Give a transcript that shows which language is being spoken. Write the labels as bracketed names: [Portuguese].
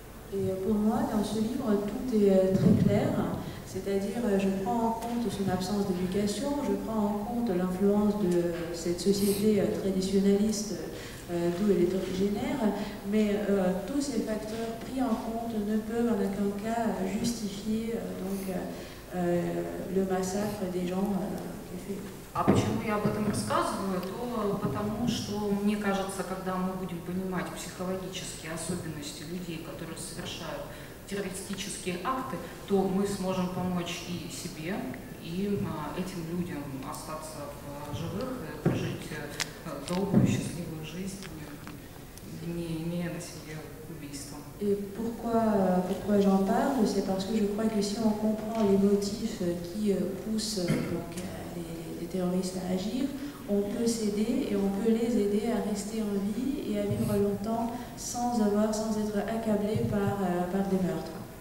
[French] Et pour moi, dans ce livre, tout est très clair, c'est-à-dire je prends en compte son absence d'éducation, je prends en compte l'influence de cette société traditionnaliste d'où elle est originaire, mais tous ces facteurs pris en compte ne peuvent en aucun cas justifier donc, le massacre des gens qui est fait. [Russian] А почему я об этом рассказываю? То потому, что мне кажется, когда мы будем понимать психологические особенности людей, которые совершают террористические акты, то мы сможем помочь и себе, и этим людям остаться в живых, и прожить долгую, счастливую жизнь, не имея на себе убийства. [French] Et pourquoi j'en parle? C'est parce que je crois que si on comprend les motifs qui poussent donc, terroristes à agir, on peut s'aider et on peut les aider à rester en vie et à vivre longtemps sans être accablé par des meurtres.